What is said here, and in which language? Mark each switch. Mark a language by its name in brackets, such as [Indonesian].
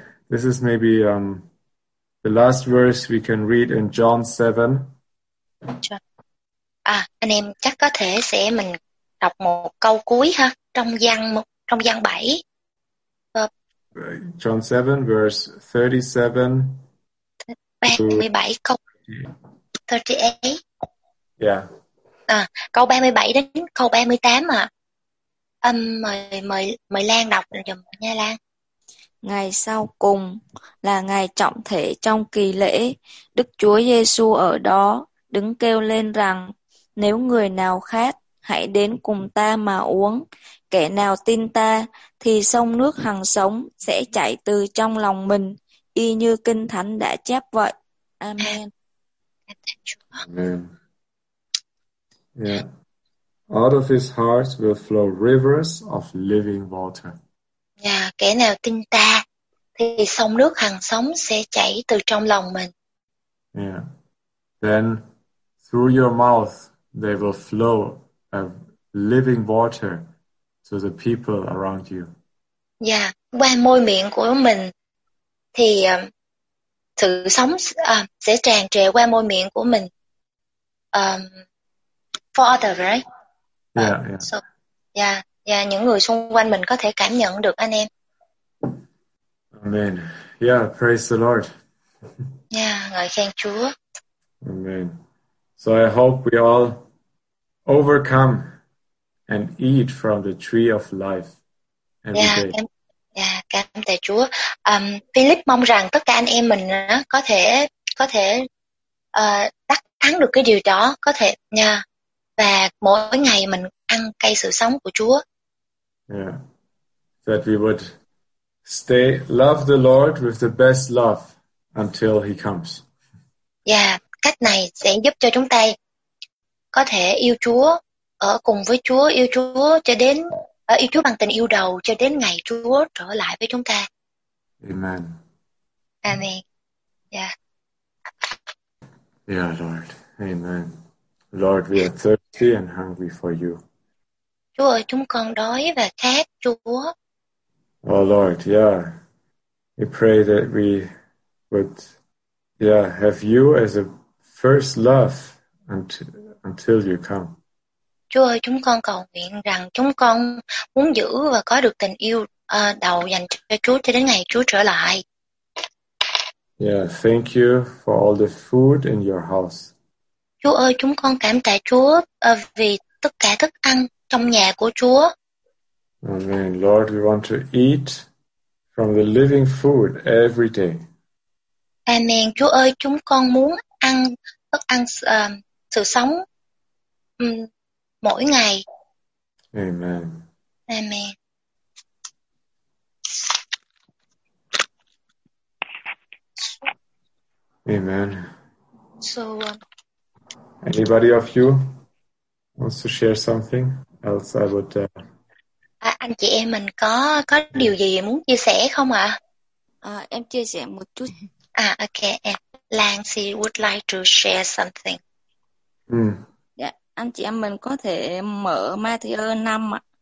[English] This is maybe the last verse we can read in John 7. [Vietnamese] Anh em chắc có thể sẽ mình đọc một câu cuối ha, trong văn 7. [English] John 7 verse 37 [Vietnamese] câu 38. [English] Yeah. [Vietnamese] Câu 37 đến câu 38 ạ. Mời Lan đọc giùm nha Lan. Ngày sau cùng là ngày trọng thể trong kỳ lễ, Đức Chúa Giêsu ở đó đứng kêu lên rằng: nếu người nào khát, hãy đến cùng ta mà uống. Kẻ nào tin ta thì sông nước hằng sống sẽ chảy từ trong lòng mình, y như Kinh Thánh đã chép vậy. Amen. [English] Amen. Yeah. Out of his heart will flow rivers of living water. [Vietnamese] Yeah, kẻ nào tin ta thì sông nước hằng sống sẽ chảy từ trong lòng mình. [English] Yeah. Then through your mouth they will flow a living water to the people around you. [Vietnamese] Yeah, qua môi miệng của mình thì sự sống sẽ tràn trề qua môi miệng của mình. [English] For others, right? Yeah, [Vietnamese] những người xung quanh mình có thể cảm nhận được anh em. [English] Amen. Yeah, praise the Lord. [Vietnamese] Yeah, ngợi khen Chúa. Amen. [English] So I hope we all overcome and eat from the tree of life every day. [Vietnamese] Cảm tạ Chúa. Philip mong rằng tất cả anh em mình có thể đắc thắng được cái điều đó, có thể nha. Và mỗi ngày mình ăn cây sự sống của Chúa. [English] Yeah. That we would stay love the Lord with the best love until he comes. [Vietnamese] Yeah, cách này sẽ giúp cho chúng ta có thể yêu Chúa, ở cùng với Chúa, yêu Chúa cho đến yêu Chúa bằng tình yêu đầu cho đến ngày Chúa trở lại với chúng ta. Amen. [English] Amen. Yeah. Yeah, Lord. Amen. Lord, we are thirsty and hungry for you. [Vietnamese] Chúa ơi, chúng con đói và khát Chúa. [English] Oh Lord, yeah. We pray that we would have you as a first love until you come. [Vietnamese] Chúa ơi, chúng con cầu nguyện rằng chúng con muốn giữ và có được tình yêu đầu dành cho Chúa cho đến ngày Chúa trở lại. [English] Yeah, thank you for all the food in your house. [Vietnamese] Chúa ơi, chúng con cảm tạ Chúa vì tất cả thức ăn trong nhà của Chúa. [English] Amen. Lord, we want to eat from the living food every day. Amen. [Vietnamese] Chúa ơi, chúng con muốn ăn thức ăn sự sống mỗi ngày. Amen. Amen. Amen. [English] So, anybody of you wants to share something else? I would. [Vietnamese] Anh chị em mình có điều gì muốn chia sẻ không ạ? Em chia sẻ một chút. [English] Okay. Lancy would like to share something. [Vietnamese] Yeah, anh chị em mình có thể mở Matthew 5 ạ.